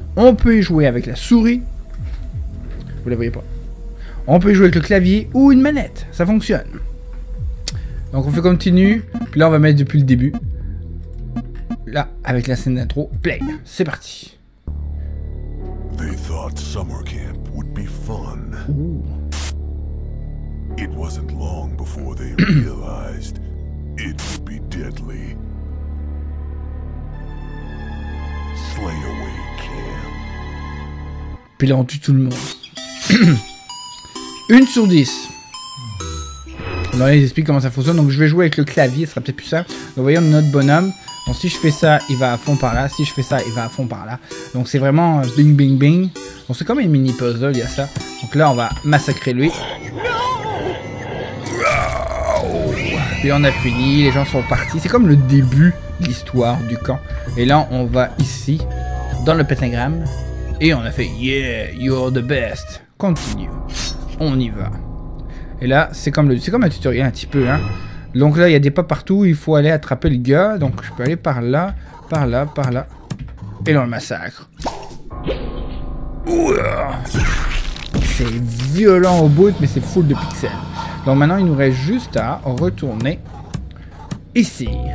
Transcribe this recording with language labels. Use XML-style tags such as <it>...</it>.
<fr>On peut y jouer avec la souris, vous la voyez pas, on peut y jouer avec le clavier ou une manette, ça fonctionne. Donc on fait continue, puis là on va mettre depuis le début, là avec la scène d'intro, play, c'est parti.</fr> <en>They thought summer camp would be fun. Ooh. It wasn't long before they realized it would be deadly. Slay away camp.</en> <fr>Puis là, on tue tout le monde. Une sur dix. Alors là, ils expliquent comment ça fonctionne. Donc je vais jouer avec le clavier, ce sera peut-être plus simple. Donc voyons notre bonhomme. Donc si je fais ça, il va à fond par là. Si je fais ça, il va à fond par là. Donc c'est vraiment bing bing bing. Donc c'est comme une mini puzzle, il y a ça. Donc là, on va massacrer lui. Et on a fini, les gens sont partis. C'est comme le début de l'histoire du camp. Et là, on va ici, dans le pentagramme. Et on a fait,</fr> <en>yeah, you're the best.</en> <fr>Continue. On y va. Et là, c'est comme le, c'est comme un tutoriel un petit peu. Hein. Donc là, il y a des pas partout. Il faut aller attraper le gars. Donc je peux aller par là, par là, par là. Et là, on le massacre. C'est violent au bout, mais c'est full de pixels. Donc maintenant, il nous reste juste à retourner ici.</fr>